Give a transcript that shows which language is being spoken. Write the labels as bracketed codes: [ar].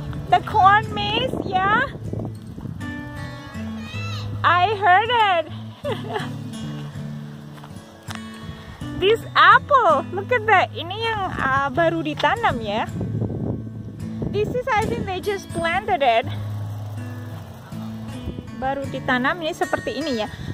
[en] The corn maze, yeah? I heard it. This apple, look at that. [id] Ini yang baru ditanam ya. [en] This is, I think they just planted it. [id] Baru ditanam ini seperti ini ya.